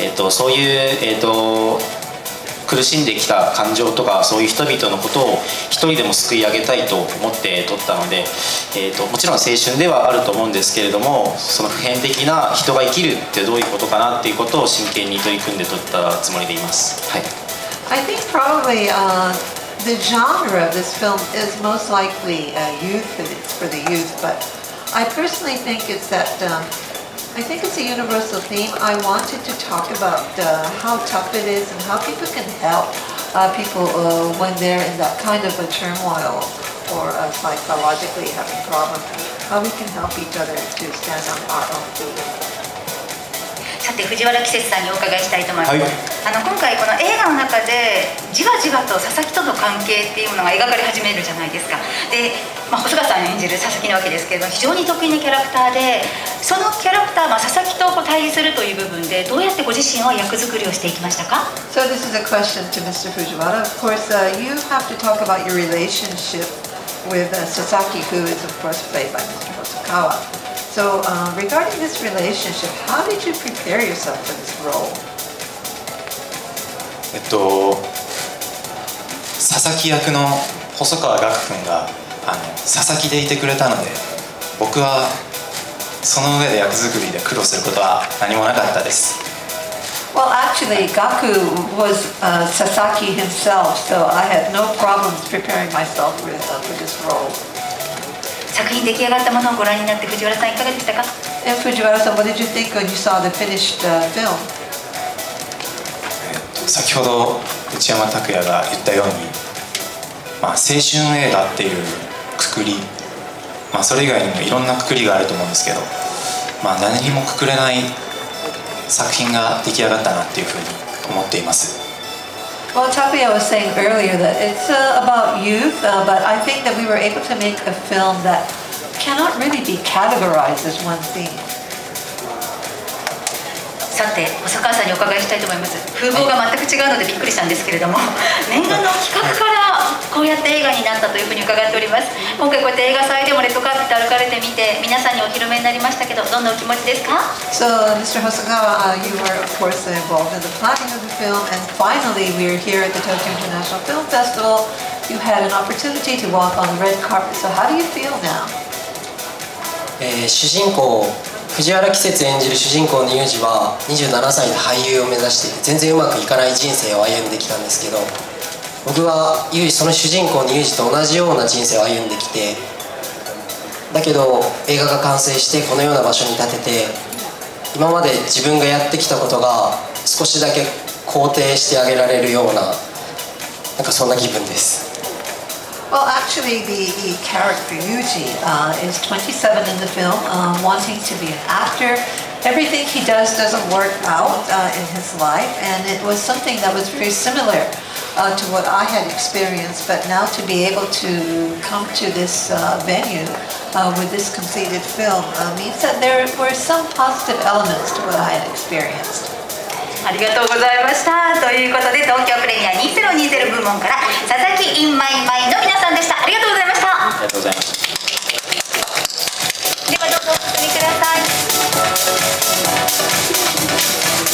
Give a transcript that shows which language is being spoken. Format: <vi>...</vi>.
<ja>そういう、苦しんできた感情とか、そういう人々のことを一人でも救い上げたいと思って撮ったので、もちろん青春ではあると思うんですけれども、その普遍的な人が生きるってどういうことかなっていうことを真剣に取り組んで撮ったつもりでいます。はい。</ja> <en>I think probably, the genre of this film is most likely, youth, and it's for the youth, but I personally think it's that, I think it's a universal theme. I wanted to talk about how tough it is and how people can help people when they're in that kind of a turmoil or psychologically having problems. How we can help each other to stand on our own feet.</en> <ja>さて、藤原季節さんにお伺いしたいと思います、はい、今回この映画の中でじわじわと佐々木との関係っていうものが描かれ始めるじゃないですか。で、まあ、細川さん演じる佐々木なわけですけれども、非常に得意なキャラクターで、そのキャラクター、まあ、佐々木とこう対峙するという部分でどうやってご自身は役作りをしていきましたか？</ja> <en>So this is a question to Mr. Fujiwara. Of course, you have to talk about your relationship with Sasaki, who is of course played by Mr. Hosokawa. So, regarding this relationship, how did you prepare yourself for this role?</en> <ja>佐々木役の細川岳くんが佐々木でいてくれたので、僕はその上で役作りで苦労することは何もなかったです。</ja> <en>Well, actually, Gaku was Sasaki himself, so I had no problems preparing myself for this role.</en> <ja>作品出来上がったものをご覧になって、藤原さんいかがでしたか？</ja> <en>And Fujiwara, what did you think when you saw the finished film?</en> <ja>先ほど内山拓也が言ったように、まあ、青春映画っていうくくり、まあ、それ以外にもいろんなくくりがあると思うんですけど、まあ、何にもくくれない作品が出来上がったなっていうふうに思っています。</ja> <en>Well, Tapia was saying earlier that it's about youth, but I think that we were able to make a film that cannot really be categorized as one thing.</en> <ja>さて、細川さんにお伺いしたいと思います。風貌が全く違うのでびっくりしたんですけれども、念願の企画からこうやって映画になったというふうに伺っております。今回こうやって映画祭でもレッドカーペット歩かれてみて、皆さんにお披露目になりましたけど、どんなお気持ちですか？</ja> <en>So, Mr. Hosokawa, you were of course involved in the planning of the film, and finally we are here at the Tokyo International Film Festival. You had an opportunity to walk on the red carpet. So, how do you feel now? 主人公藤原季節演じる主人公のユージは27歳で俳優を目指して全然うまくいかない人生を歩んできたんですけど、僕はユージ、その主人公のユージと同じような人生を歩んできて、だけど映画が完成してこのような場所に立てて、今まで自分がやってきたことが少しだけ肯定してあげられるような、なんかそんな気分です。 Well, actually, the character Yuji is 27 in the film, wanting to be an actor. Everything he doesn't work out in his life, and it was something that was very similar to what I had experienced. But now to be able to come to this venue with this completed film means that there were some positive elements to what I had experienced.</en> <ja>ありがとうございました。ということで、東京プレミア2020部門から佐々木 in my mind の皆さんでした。ありがとうございました。ありがとうございました。ではどうぞお進みください。</ja>